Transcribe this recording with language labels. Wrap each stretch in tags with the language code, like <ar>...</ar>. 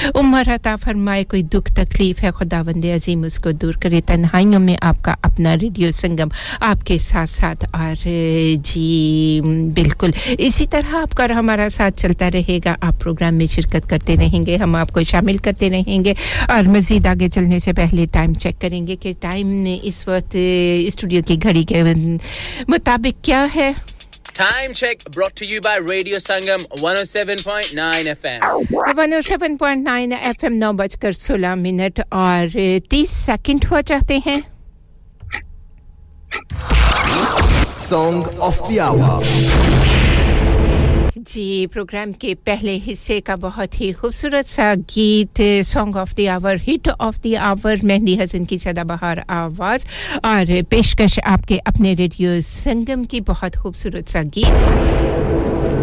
<hi>उम्र अता फरमाए कोई दुख तकलीफ है खुदावंदे अजीम उसको दूर करे तन्हाइयों में आपका अपना रेडियो संगम आपके साथ साथ और जी बिल्कुल इसी तरह आपका हमारा साथ चलता रहेगा आप प्रोग्राम में शिरकत करते रहेंगे हम आपको शामिल करते रहेंगे और मजीद आगे चलने से पहले टाइम चेक करेंगे कि टाइम इस वक्त स्टूडियो की घड़ी के मुताबिक क्या है</hi> <en>Time check brought to you by Radio Sangam 107.9 FM.</en> <hi>107.9 FM 9:16 और 30 सेकंड हो जाते हैं.</hi> <en>Song of the hour.</en> <hi>Ji programme के पहले हिस्से का बहुत ही खूबसूरत सा गीत song of the our hit of the our mehndi Hasan की सदाबहार आवाज और पेशकश आपके अपने रेडियो संगम की बहुत खूबसूरत सा गीत</hi>